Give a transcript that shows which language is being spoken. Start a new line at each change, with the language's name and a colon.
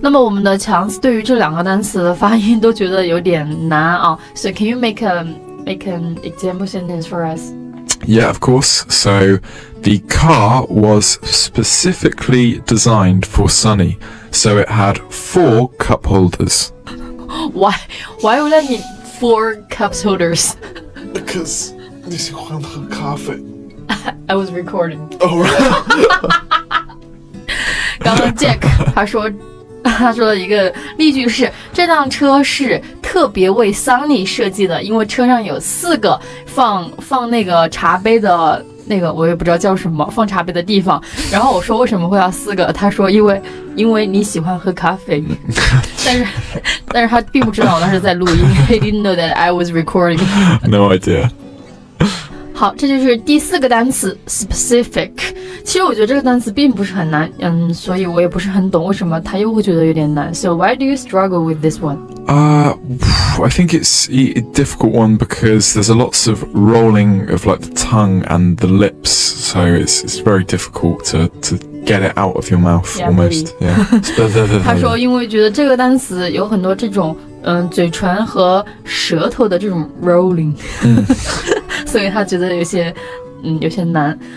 Chinese: 那么我们的强子对于这两个单词的发音都觉得有点难啊。
English: So can you make an example sentence for us? Yeah, of course. So the car was specifically designed for Sunny, so it had four cup holders. Why would I need four cup holders? Because
Chinese: 你喜欢喝咖啡。
English: I was recording. Oh, right.
Chinese: 刚刚 Jack 他说的一个例句是，这辆车是特别为 Sunny 设计的，因为车上有四个放那个茶杯的那个，我也不知道叫什么，放茶杯的地方。然后我说为什么会要四个，他说因为你喜欢喝咖啡。但是他并不知道我当时在录音。
English: He didn't know that I was recording. No idea.
Chinese: 好，这就是第四个单词 specific。其实我觉得这个单词并不是很难，所以我也不是很懂为什么他又会觉得有点难。
English: So why do you struggle with this one? I think it's a difficult one because there's a lots of rolling of like the tongue and the lips, so it's very difficult to get it out of your mouth almost. Yeah.
Chinese: 他说因为觉得这个单词有很多这种嘴唇和舌头的这种 rolling, 所以他觉得有些难。